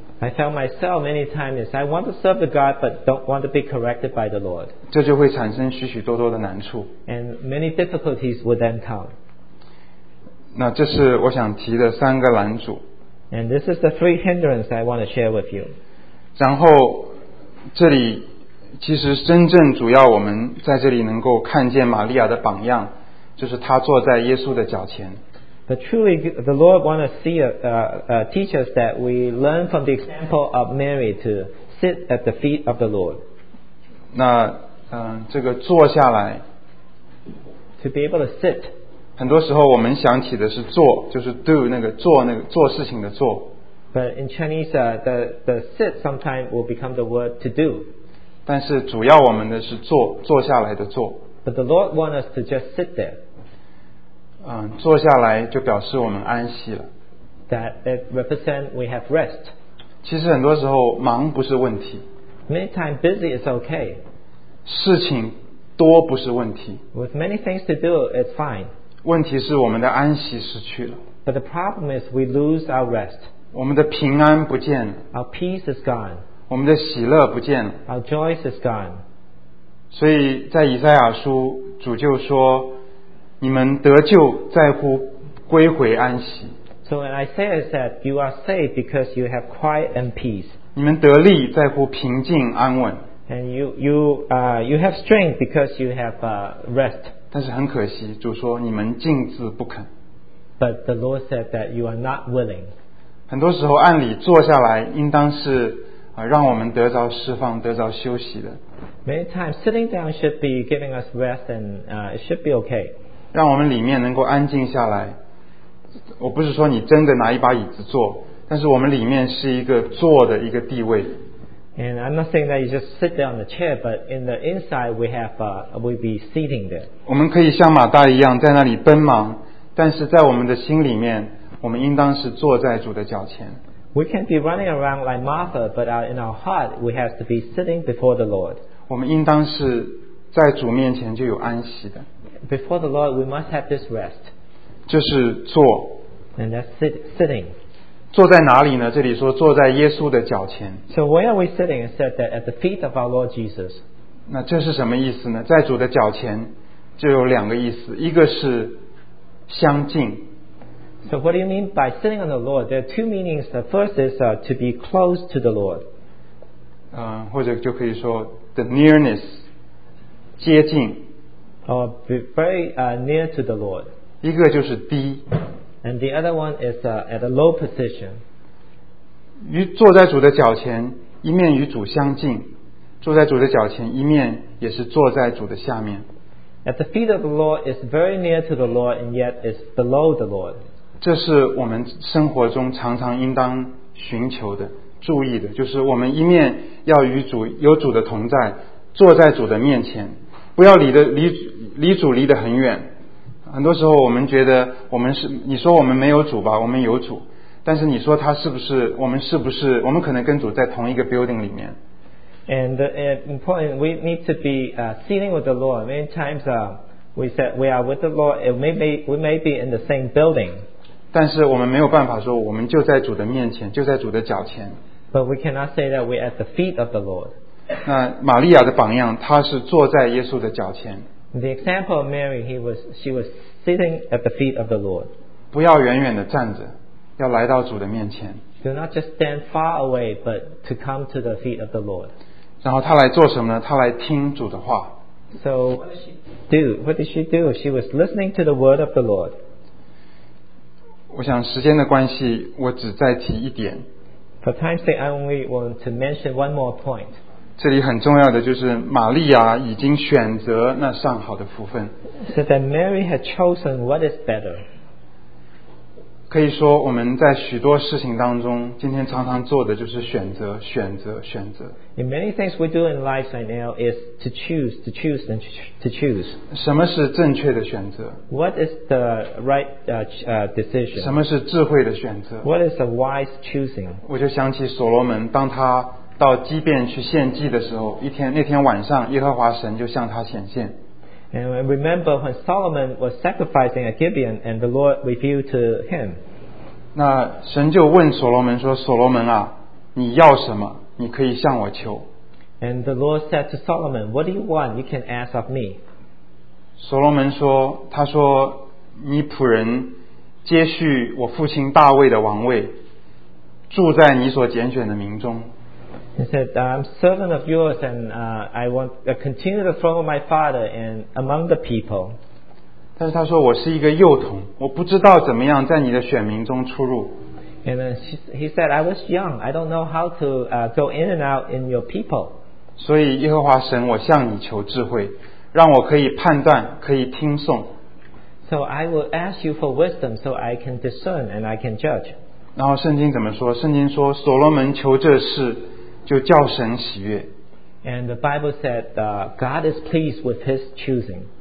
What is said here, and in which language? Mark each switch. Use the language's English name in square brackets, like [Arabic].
[English] I found myself many times is I want to serve the God but don't want to be corrected by the Lord. [Chinese] 这就会产生许许多多的难处。 [English] And many difficulties would then come. [Chinese] 那这是我想提的三个拦阻。 [English] And this is the three hindrances I want to share with you. [Chinese] 然后这里其实真正主要我们在这里能够看见玛利亚的榜样，就是她坐在耶稣的脚前。 [English] But truly, the Lord wants to see teach us that we learn from the example of Mary to sit at the feet of the Lord. [Chinese] 那这个坐下来 [English] ，to be able to sit. [Chinese] 很多时候我们想起的是坐，就是 do 那个做那个做事情的做。 [English] But in Chinese, the sit sometimes will become the word to do. [Chinese] 但是主要我们的是坐，坐下来的坐。 [English] But the Lord wants us to just sit there. [Chinese] 坐下来就表示我们安息了。 [English] That it represents we have rest. [Chinese] 其实很多时候忙不是问题。 [English] Many times busy is okay. [Chinese] 事情多不是问题。 [English] With many things to do, it's fine. [Chinese] 问题是我们的安息失去了。 [English] But the problem is we lose our rest. [Chinese] 我们的平安不见了。 [English] Our peace is gone. [Chinese] 我们的喜乐不见了。 [English] Our joy is gone. [Chinese] 所以在以赛亚书，主就说你们得救在乎归回安息。 [English] So when Isaiah said you are saved because you have quiet and peace. [Chinese] 你们得力在乎平静安稳。 [English] And you have strength because you have rest. [Chinese] 但是很可惜，主说你们竟自不肯。 [English] But the Lord said that you are not willing. [Chinese] 很多时候按理坐下来应当是让我们得着释放，得着休息的。 [English] Many times sitting down should be giving us rest and it should be okay. [Chinese] 让我们里面能够安静下来。我不是说你真的拿一把椅子坐，但是我们里面是一个坐的一个地位。 [English] And I'm not saying that you just sit down on the chair, but in the inside we'll be sitting there. [Chinese] 我们可以像马大一样在那里奔忙，但是在我们的心里面，我们应当是坐在主的脚前。 [English] We can be running around like Martha, but in our heart we have to be sitting before the Lord. [Chinese] 我们应当是在主面前就有安息的。 [English] Before the Lord, we must have this rest. [Chinese] 就是坐。 [English] And that's sitting. So where are we sitting? It said that at the feet of our Lord Jesus. [Chinese] 那这是什么意思呢？在主的脚前就有两个意思，一个是相近。 [English] So what do you mean by sitting on the Lord? There are two meanings. The first is to be close to the Lord. [Chinese] 或者就可以说 [English] the nearness [Chinese] 接近 [English] or be very near to the Lord. [Chinese] 一个就是低 [English] and the other one is at a low position. [Chinese] 与坐在主的脚前，一面与主相近，坐在主的脚前，一面也是坐在主的下面。 [English] At the feet of the Lord is very near to the Lord, and yet is below the Lord. [Chinese] 这是我们生活中常常应当寻求的、注意的，就是我们一面要与主有主的同在，坐在主的面前，不要离主离得很远。很多时候我们觉得我们是你说我们没有主吧，我们有主，但是你说他是不是我们是不是我们可能跟主在同一个 building 里面。 [English] And important, we need to be sitting with the Lord. Many times we said we are with the Lord, we may be in the same building. [Chinese] 但是我们没有办法说我们就在主的面前，就在主的脚前。 [English] But we cannot say that we are at the feet of the Lord. [Chinese] 那玛利亚的榜样，她是坐在耶稣的脚前。 [English] The example of Mary, she was sitting at the feet of the Lord. [Chinese] 不要远远的站着，要来到主的面前。 [English] Do not just stand far away, but to come to the feet of the Lord. [Chinese] 然后他来做什么呢？他来听主的话。 [English] So what did she do? What did she do? She was listening to the word of the Lord. [Chinese] 我想时间的关系，我只再提一点。 [English] For time's sake, I only want to mention one more point. [Chinese] 这里很重要的就是玛利亚已经选择那上好的福分。 [English] So that Mary had chosen what is better. [Chinese] 可以说我们在许多事情当中今天常常做的就是选择选择选择 [English] In many things we do in life right now is to choose to choose and to choose [Chinese] 什么是正确的选择 [English] What is the right decision [Chinese] 什么是智慧的选择 [English] What is a wise choosing [Chinese] 我就想起所罗门当他到基遍去献祭的时候一天那天晚上耶和华神就向他显现 [English] And remember when Solomon was sacrificing at Gibeon, and the Lord revealed to him. [Chinese] 那神就问所罗门说：“所罗门啊，你要什么？你可以向我求。” [English] And the Lord said to Solomon, "What do you want? You can ask of me." [Chinese] 所罗门说：“他说，你仆人接续我父亲大卫的王位，住在你所拣选的民中。” [English] He said, "I'm servant of yours, and I want to continue the throne of my father and among the people." [Chinese] 但是他说我是一个幼童，我不知道怎么样在你的选民中出入。 [English] And then he said, "I was young. I don't know how to go in and out in your people." [Chinese] 所以耶和华神，我向你求智慧，让我可以判断，可以听颂。 [English] So I will ask you for wisdom, so I can discern and I can judge. [Chinese] 然后圣经怎么说？圣经说所罗门求这事。就叫神喜悦。 [English] And the Bible said, God is pleased with his choosing.